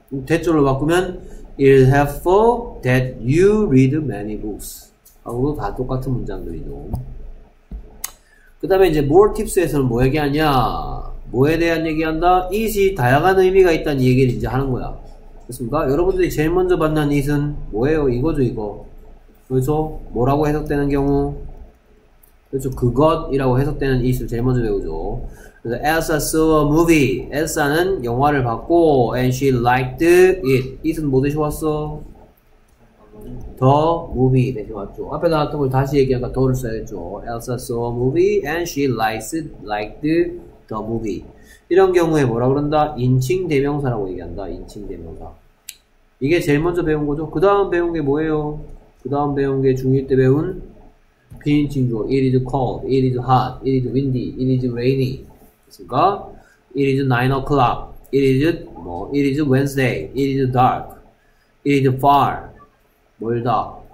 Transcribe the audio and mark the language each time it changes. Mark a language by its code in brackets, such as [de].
[ko] 대조로 바꾸면 [en] it is helpful that you read many books. [ko] 하고도 다 똑같은 문장들이죠. 그 다음에 이제 more tips에서는 뭐 얘기하냐? 뭐에 대한 얘기한다? it이 다양한 의미가 있다는 얘기를 이제 하는 거야. 됐습니까? 여러분들이 제일 먼저 받는 it은 뭐예요? 이거죠, 이거. 그래서 뭐라고 해석되는 경우? 그렇죠. 그것이라고 해석되는 it을 제일 먼저 배우죠. [en] 그래서 Elsa saw a movie. [ko] Elsa는 영화를 봤고 [en] and she liked it. [ko] it은 뭐 대신 왔어? the movie 대신 왔죠. 앞에 나왔던 걸 다시 얘기하니까 더를 써야겠죠. [en] Elsa saw a movie and she liked the movie. [ko] 이런 경우에 뭐라 그런다? 인칭 대명사라고 얘기한다. 인칭 대명사. 이게 제일 먼저 배운 거죠. 그 다음 배운 게 뭐예요? 그 다음 배운 게 중1 때 배운 비인칭 주어. [en] It is cold. It is hot. It is windy. It is rainy. [ko] 그니까 [en] It is 9 o'clock. It is 뭐 It is Wednesday. It is dark. It is far. [ko] 멀다.